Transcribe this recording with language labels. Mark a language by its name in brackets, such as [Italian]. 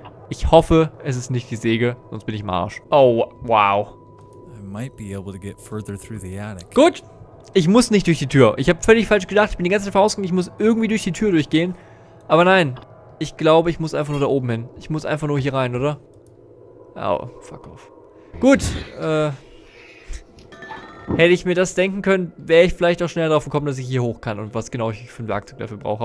[German] Ich hoffe, es ist nicht die Säge, sonst bin ich im Arsch. Oh, wow. [English] I might be able to get further through the attic. [German] Gut. Ich muss nicht durch die Tür. Ich habe völlig falsch gedacht. Ich bin die ganze Zeit vorausgegangen. Ich muss irgendwie durch die Tür durchgehen. Aber nein. Ich glaube, ich muss einfach nur da oben hin. Ich muss einfach nur hier rein, oder? Oh, [English] fuck off. [German] Gut. Hätte ich mir das denken können, wäre ich vielleicht auch schneller drauf gekommen, dass ich hier hoch kann und was genau ich für ein Werkzeug dafür brauche.